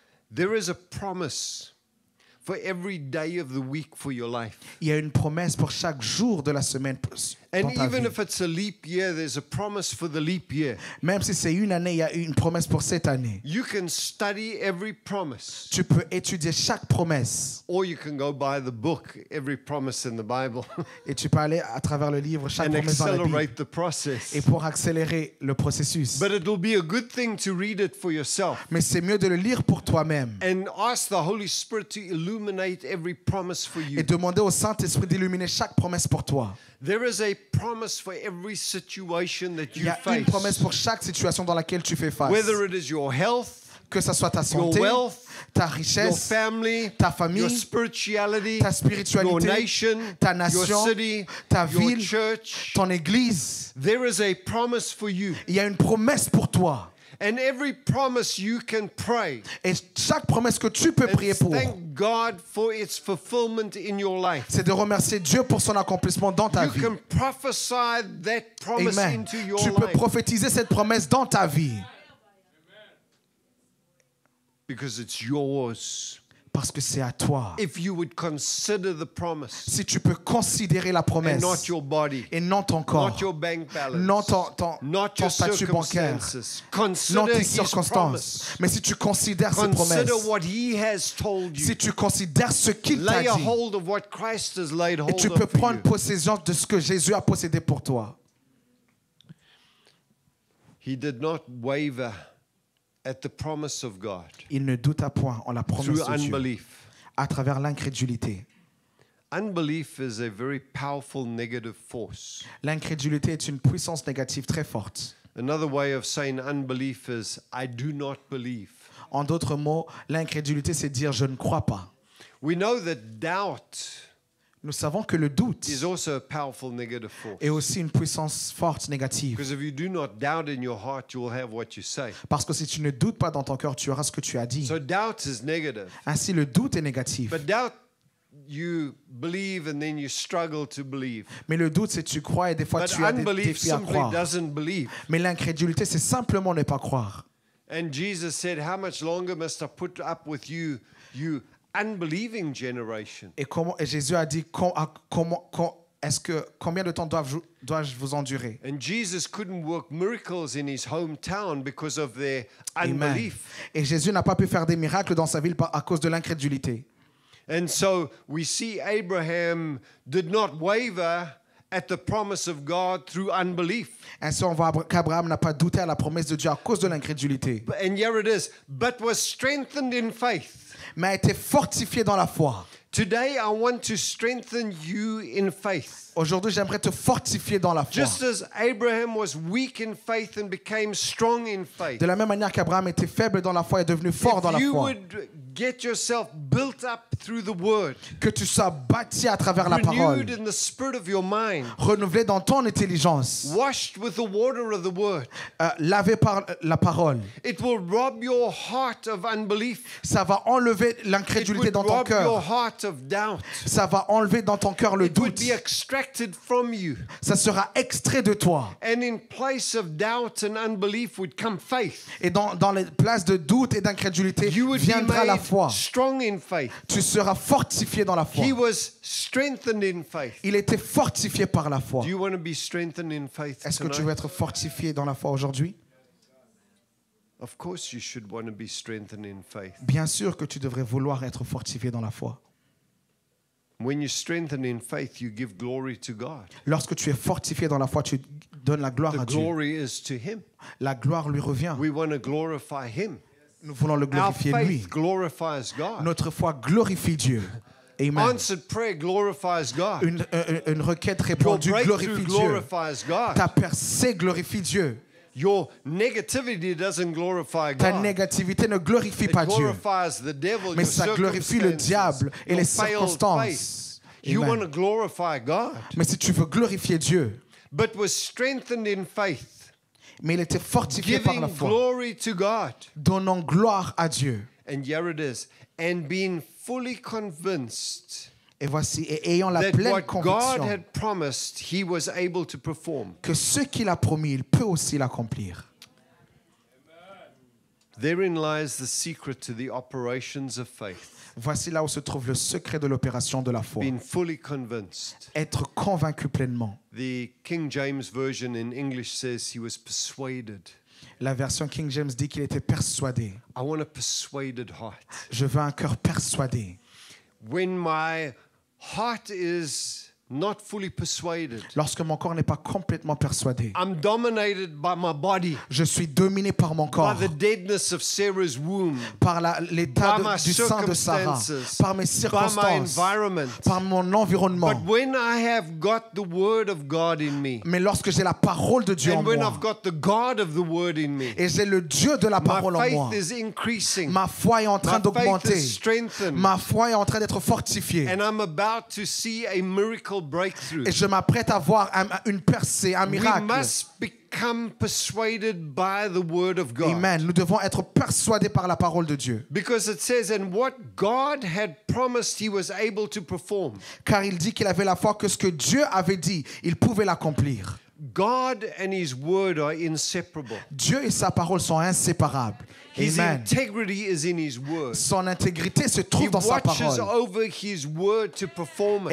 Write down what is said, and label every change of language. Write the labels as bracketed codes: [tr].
[en] There is a promise for every day of the week for your life. [fr] Il y a une promesse pour chaque jour de la semaine pour ta vie. [en] And even if it's a leap year, there's a promise for the leap year. [fr] Même si c'est une année, il y a une promesse pour cette année. [en] You can study every promise. [fr] Tu peux étudier chaque promesse. [en] Or you can go buy the book, every promise in the Bible. [fr] Et tu peux aller à travers le livre chaque promesse dans la Bible. [en] And accelerate the process. [fr] Et pour accélérer le processus. [en] But it will be a good thing to read it for yourself. [fr] Mais c'est mieux de le lire pour toi-même. [en] And ask the Holy Spirit to illuminate every promise for you. [fr] Et demander au Saint-Esprit d'illuminer chaque promesse pour toi. [en] There is a promise for every situation that you face. [fr] Il y a une promesse pour chaque situation dans laquelle tu fais face. [en] Whether it is your health, [fr] que ça soit ta santé, [en] your wealth, [fr] ta richesse, [en] your family, [fr] ta famille, [en] your spirituality, [fr] ta spiritualité, [en] your nation, [fr] ta nation, [en] your city, [fr] ta ville, [en] your church, [fr] ton église. [en] There is a promise for you. [fr] Il y a une promesse pour toi. [en] And every promise you can pray. [fr] Et chaque promesse que tu peux prier pour. [en] Thank God for its fulfillment in your life. [fr] C'est de remercier Dieu pour son accomplissement dans ta [en] you [fr] vie. [en] You can prophesy that promise Amen. Into your life. [fr] Tu peux [en] life. [fr] Prophétiser cette promesse dans ta vie. [en] Because it's yours. [fr] Parce que c'est à toi. [en] If you would consider the promise. [fr] Si tu peux considérer la promesse. [en] And not your body. [fr] Et non ton corps. [en] Not your bank balance. [fr] Non ton statut bancaire. Non tes circonstances. Mais si tu considères [en] consider [fr] ses promesses. [en] Consider what he has told you. [fr] Si tu considères ce qu'il [en] lay [fr] t'a dit. [en] Lay a hold of what Christ has laid hold [fr] et tu peux prendre possession de ce que Jésus a possédé pour toi. [en] He did not waver. At the promise of God. [fr] Il ne douta point en la promesse [en] through [fr] de [en] unbelief. [fr] Dieu. À travers l'incrédulité. [en] Unbelief is a very powerful negative force. [fr] L'incrédulité est une puissance négative très forte. [en] Another way of saying unbelief is I do not believe. [fr] En d'autres mots, l'incrédulité c'est dire je ne crois pas. [en] We know that doubt. [fr] Nous savons que le doute [en] is also a powerful negative force. [fr] Est aussi une puissance forte négative. [en] Because if you do not doubt in your heart, you will have what you say. [fr] Parce que si tu ne doutes pas dans ton cœur, tu auras ce que tu as dit. [en] So doubt is negative. [fr] Ainsi, le doute est négatif. [en] But doubt, you believe and then you struggle to believe. [fr] Mais le doute, c'est tu crois et des fois [en] But [fr] tu as des défis à croire. [en] Doesn't believe. [fr] Mais l'incrédulité, c'est simplement ne pas croire. [en] And Jesus said, "How much longer must I put up with you, you?" Unbelieving generation. [fr] Et comment et Jésus a dit combien de temps dois-je vous endurer? [en] And Jesus couldn't work miracles in his hometown because of their unbelief. Amen. [fr] Et Jésus n'a pas pu faire des miracles dans sa ville à cause de l'incrédulité. [en] And so we see Abraham did not waver at the promise of God through unbelief. [fr] Ainsi, on voit qu'Abraham n'a pas douté à la promesse de Dieu à cause de l'incrédulité. [en] And here it is, but was strengthened in faith. [fr] Mais a été fortifié dans la foi. [en] Today I want to strengthen you in faith. [fr] Aujourd'hui, j'aimerais te fortifier dans la foi. [en] Just as Abraham was weak in faith and became strong in faith. [fr] De la même manière qu'Abraham était faible dans la foi et est devenu fort dans la foi. [en] If you would get yourself built up through the word. [fr] Que tu sois bâti à travers la parole. [en] Renewed in the spirit of your mind. [fr] Renouvelé dans ton intelligence. [en] Washed with the water of the word. [fr] Lavé par la parole. [en] It will rob your heart of unbelief. [fr] Ça va enlever l'incrédulité dans ton cœur. [en] It will rob your heart of doubt. [fr] Ça va enlever dans ton cœur le doute. [en] It will be extracted from you. [fr] Ça sera extrait de toi. [en] And in place of doubt and unbelief would come faith. [fr] Et dans les places de doute et d'incrédulité viendra la foi. [en] Strong in faith. [fr] Tu seras fortifié dans la foi. [en] He was strengthened in faith. [fr] Il était fortifié par la foi. [en] Do you want to be strengthened in faith? [fr] Est-ce que [en] tonight? [fr] Tu veux être fortifié dans la foi aujourd'hui? [en] Of course you should want to be strengthened in faith. [fr] Bien sûr que tu devrais vouloir être fortifié dans la foi. [en] When you strengthen in faith, you give glory to God. [fr] Lorsque tu es fortifié dans la foi, tu donnes la gloire [en] the [fr] à Dieu. [en] The glory is to him. [fr] La gloire lui revient. [en] We want to glorify him. [fr] Nous voulons le glorifier, [en] our faith [fr] lui. [en] Glorifies God. [fr] Notre foi glorifie Dieu. Amen. [en] Answered prayer glorifies God. [fr] Une requête répondue glorifie Dieu. [en] Glorifies God. [fr] Ta percée glorifie Dieu. [en] Your negativity doesn't glorify God. [fr] Ta négativité ne glorifie pas Dieu. [en] It glorifies the devil, [fr] mais ça glorifie le diable et les circonstances. [en] You want to glorify God. [fr] Mais si tu veux glorifier Dieu. [en] But was strengthened in faith. [fr] Mais il était fortifié par la foi. [en] Glory to God. [fr] Donnant gloire à Dieu. [en] And here it is. And being fully convinced. [fr] Et voici, et ayant la pleine conviction. [en] That God had promised, he was able to perform. [fr] Que ce qu'il a promis, il peut aussi l'accomplir. Amen. [en] Therein lies the secret to the operations of faith. [fr] Voici là où se trouve le secret de l'opération de la foi. [en] Being fully convinced. [fr] Être convaincu pleinement. [en] The King James version in English says he was persuaded. [fr] La version King James dit qu'il était persuadé. [en] I want a persuaded heart. [fr] Je veux un cœur persuadé. [en] When my heart is not fully persuaded. [fr] Lorsque mon corps n'est pas complètement persuadé. [en] I'm dominated by my body. [fr] Je suis dominé par mon corps. [en] By the deadness of Sarah's womb. [fr] Par l'état du sein de Sarah. Par mes circonstances. [en] By my environment. [fr] Par mon environnement. [en] But when I have got the word of God in me. [fr] Mais lorsque j'ai la parole de Dieu en moi. [en] And when I've got the God of the word in me. [fr] Et j'ai le Dieu de la parole en moi. [en] My faith is increasing. [fr] Ma foi est en train d'augmenter. [en] My faith is strengthened. [fr] Ma foi est en train d'être fortifiée. [en] And I'm about to see a miracle. Breakthrough. [fr] Et je m'apprête à voir une percée, un miracle. [en] We must become persuaded by the word of God. Amen. [fr] Nous devons être persuadés par la parole de Dieu. [en] Because it says, and what God had promised, he was able to perform. [fr] Car il dit qu'il avait la foi que ce que Dieu avait dit, il pouvait l'accomplir. [en] God and his word are inseparable. [fr] Dieu et sa parole sont inséparables. [en] His Amen. Integrity is in his word. [fr] Son intégrité se trouve [en] he [fr] dans sa parole. [en] He watches over his word to perform it.